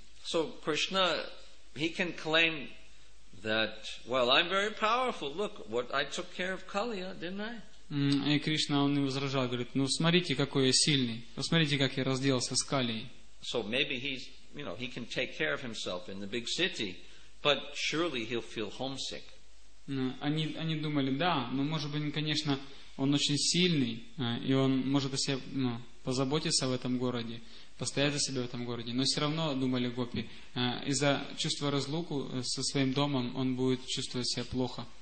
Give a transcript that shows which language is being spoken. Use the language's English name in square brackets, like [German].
[English] So Krishna, he can claim that, well, I'm very powerful. Look, what I took care of Kaliya, didn't I? [Russian] И Кришна, он не возражал, говорит, ну, смотрите, какой я сильный. Посмотрите, как я разделался с Калией. [English] So maybe he's, you know, he can take care of himself in the big city, but surely he'll feel homesick. [Russian] Они думали, да, но, может быть, конечно, он очень сильный, и он может о себе, ну, позаботиться в этом городе. Постоять за себя в этом городе. Но все равно, думали гопи, из-за чувства разлуку со своим домом он будет чувствовать себя плохо.